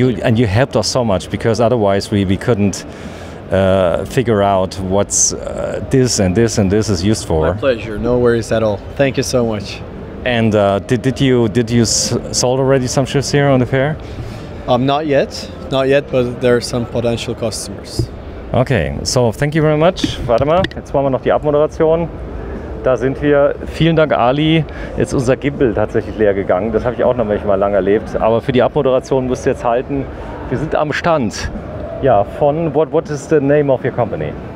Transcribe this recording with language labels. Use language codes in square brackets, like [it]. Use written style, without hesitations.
[en] and, and you helped us so much, because otherwise we couldn't... figure out what's this and this and this is used for. My pleasure, no worries at all. Thank you so much. And did you sold already some ships here on the fair? Not yet, but there are some potential customers. Okay, so thank you very much. [de] Warte mal, jetzt machen wir noch die Abmoderation. Da sind wir. Vielen Dank, Ali. Jetzt ist unser Gimbal tatsächlich leer gegangen. Das habe ich auch noch manchmal lang erlebt. Aber für die Abmoderation musst du jetzt halten. Wir sind am Stand. [en] Yeah, von what is the name of your company?